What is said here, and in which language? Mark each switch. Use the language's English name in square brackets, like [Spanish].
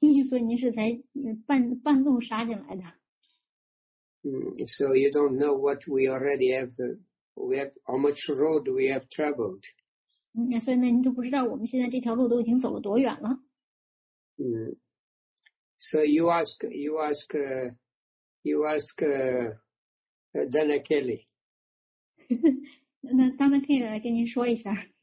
[Chinese] 所以您是才半路杀进来的。 [English] So you don't know what we already have. We have how much road we have traveled. [Chinese] 所以呢，您都不知道我们现在这条路都已经走了多远了。 [English] So you ask Dana Kelly. [Chinese] 那当然可以来跟您说一下。